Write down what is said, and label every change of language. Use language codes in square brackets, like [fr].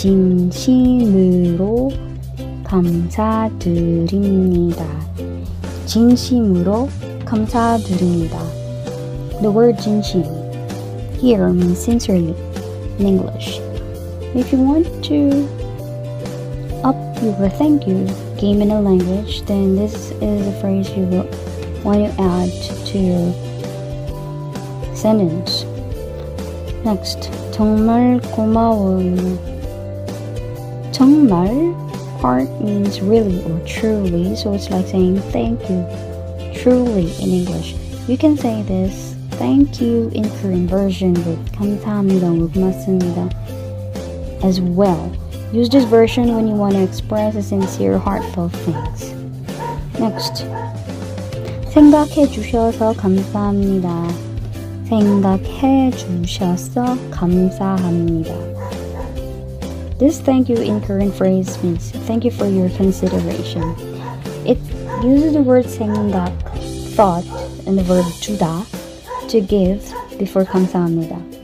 [ko] 진심으로 감사드립니다. 진심으로 감사드립니다. [en] The word 진심 here means sincerely in English. If you want to up your thank you game in a language, then this is a phrase you will want to add to your sentence. [ko] Next, 정말 고마워요. [en] 정말 part means really or truly, so it's like saying thank you truly in English. You can say this thank you in Korean version with 감사합니다, 고맙습니다 as well. Use this version when you want to express a sincere, heartfelt thanks. [ko] Next, 생각해 주셔서 감사합니다. 생각해 주셔서 감사합니다. [en] This thank you in Korean phrase means thank you for your consideration. It uses the word 생각, thought, and the verb 주다, to give, before 감사합니다.